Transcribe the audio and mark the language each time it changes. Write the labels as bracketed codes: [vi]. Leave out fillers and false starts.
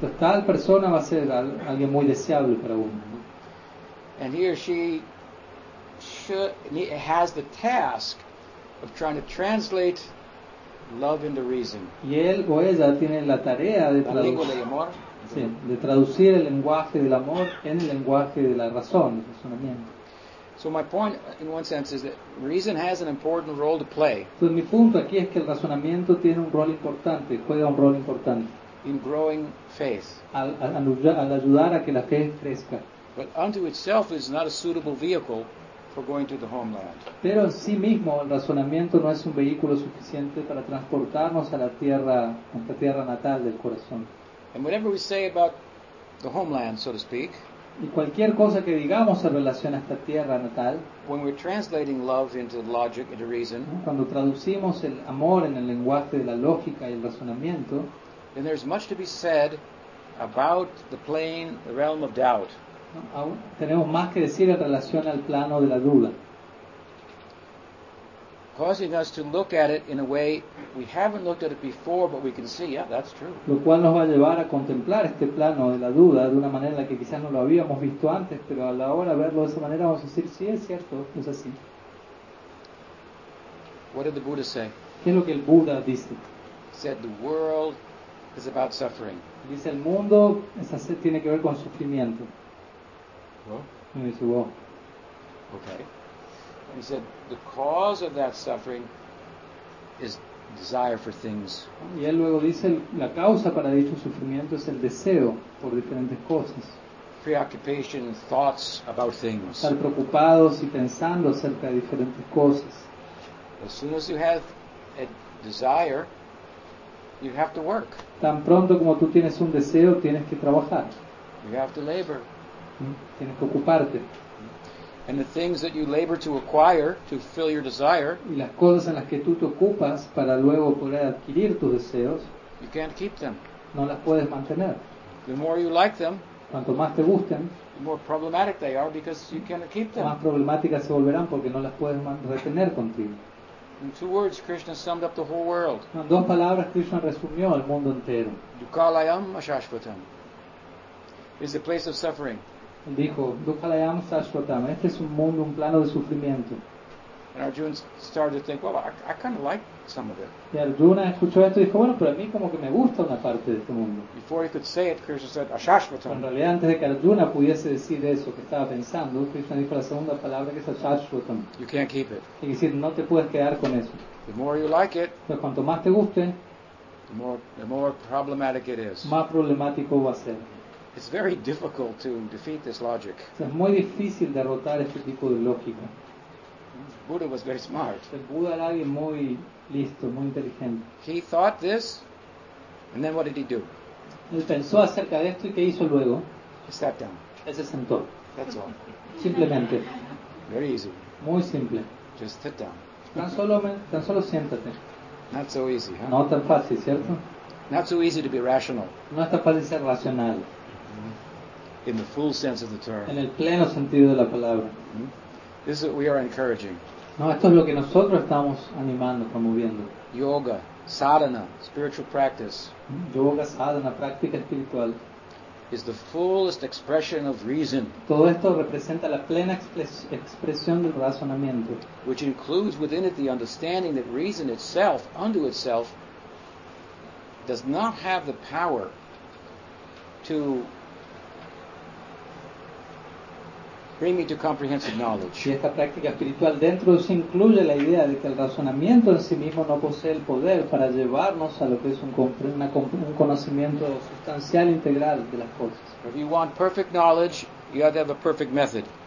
[es] Tal persona va a ser alguien muy deseable para uno. [en] And he or she has the task of trying to translate love into reason. [es] Y él o ella tiene la tarea de traducir. Sí, de traducir el lenguaje del amor en el lenguaje de la razón, el razonamiento. [en] So my point, in one sense, is that reason has an important role to play. [es] Entonces, mi punto aquí es que el razonamiento tiene un rol importante, juega un rol importante. [en] In growing faith. [es] Al ayudar a que la fe crezca. [en] But unto itself is not a suitable vehicle for going to the homeland. [es] Pero en sí mismo el razonamiento no es un vehículo suficiente para transportarnos a la tierra, nuestra tierra natal del corazón. [en] And whatever we say about the homeland, so to speak, [es] y cualquier cosa que digamos en relación a esta tierra natal, [en] when we're translating love into logic, into reason, [es] cuando traducimos el amor en el lenguaje de la lógica y el razonamiento, [en] then there's much to be said about the plane, the realm of doubt. [es] Tenemos más que decir en relación al plano de la duda. [en] Causing us to look at it in a way we haven't looked at it before, but we can see, yeah, that's true. [es] Lo cual nos va a llevar a contemplar este plano de la duda de una manera en la que quizás no lo habíamos visto antes, pero a la hora de verlo de esa manera vamos a decir, sí, es cierto, es así. [en] What did the Buddha say? [es] ¿Qué es lo que el Buda dice? [en] Said the world is about suffering. [es] Dice, el mundo tiene que ver con sufrimiento. [en] Well, [es] dice, well. [en] Okay. And he said, the cause of that suffering is desire for things. [es] Y él luego dice, la causa para dicho sufrimiento es el deseo por diferentes cosas. [en] Preoccupation, thoughts about things. [es] Estar preocupados y pensando acerca de diferentes cosas. [en] As soon as you have a desire, you have to work. [es] Tan pronto como tú tienes un deseo, tienes que trabajar. [en] You have to labor. [es] Tienes que ocuparte. [en] And the things that you labor to acquire to fill your desire, [es] y las cosas en las que tú te ocupas para luego poder adquirir tus deseos, [en] you can't keep them. [es] No las puedes mantener. [en] The more you like them, [es] cuanto más te gusten, [en] the more problematic they are because you can't keep them. [es] Más problemáticas se volverán porque no las puedes retener contigo. [en] In two words, Krishna summed up the whole world. [es] En dos palabras, Krishna resumió el mundo entero. [sa] Dukhalayam Ashashvatam [en] is the place of suffering. [es] Dijo, [sa] Dukhalayam Ashashvatam, [es] este es un mundo, un plano de sufrimiento. [en] And Arjuna started to think, well, I kind of like some of it. [es] Y Arjuna escuchó esto y dijo, bueno, pero a mí como que me gusta una parte de este mundo. [en] Before he could say it, Krishna said, Ashashvatam. [es] En realidad, antes de que Arjuna pudiese decir eso que estaba pensando, Krishna dijo la segunda palabra que es Ashashvatam. [en] You can't keep it. [es] Y decir, no te puedes quedar con eso. [en] The more you like it, [es] pues cuanto más te guste, [en] the more problematic it is. [es] Más problemático va a ser. [en] It's very difficult to defeat this logic. [es] Es muy difícil derrotar este tipo de lógica. [en] Buddha was very smart. [es] El Buda era alguien muy listo, muy inteligente. [en] He thought this, and then what did he do? [es] Él pensó acerca de esto y qué hizo luego? [en] He sat down. [es] Él se sentó. [en] That's all. [es] Simplemente. [en] Very easy. [es] Muy simple. [en] Just sit down. [es] Tan solo siéntate. [en] Not so easy, huh? [es] No tan fácil, ¿cierto? [en] Not so easy to be rational. [es] No es tan fácil ser racional. [en] In the full sense of the term. [es] En el pleno sentido de la palabra. [en] This is what we are encouraging. [es] No, esto es lo que nosotros estamos animando, promoviendo. [en] Yoga, sadhana, spiritual practice. [es] Yoga, sadhana, práctica espiritual. [en] Is the fullest expression of reason. [es] Todo esto representa la plena expresión del razonamiento. [en] Which includes within it the understanding that reason itself, unto itself, does not have the power to bring me to comprehensive knowledge. [es] Y esta práctica espiritual dentro se incluye la idea de que el razonamiento en sí mismo no posee el poder para llevarnos a lo que es un conocimiento sustancial integral de las cosas. [en] If you want perfect knowledge, you have to have a perfect method.